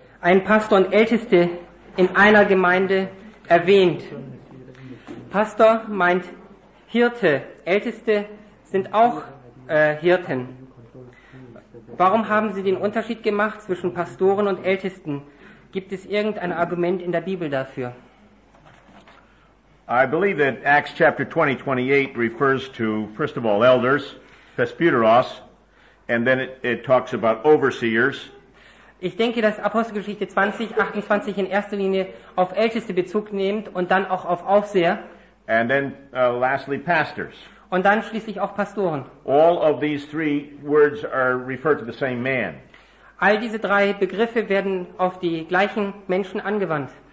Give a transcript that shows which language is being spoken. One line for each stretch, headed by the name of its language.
German: ein Pastor und Älteste in einer Gemeinde erwähnt. Pastor meint Hirte, Älteste sind auch Hirten. Warum haben Sie den Unterschied gemacht zwischen Pastoren und Ältesten? Gibt es irgendein Argument in der Bibel dafür?
English: I believe that Acts chapter 20:28 refers to first of all elders, presbyteros, and then it talks about overseers.
German: Ich denke, dass Apostelgeschichte 20:28 in erster Linie auf Älteste Bezug nimmt und dann auch auf Aufseher.
English: And then lastly pastors.
German: Und dann schließlich auch Pastoren.
English: All of these three words are referred to the same man.
German: All diese drei Begriffe werden auf die gleichen Menschen angewandt.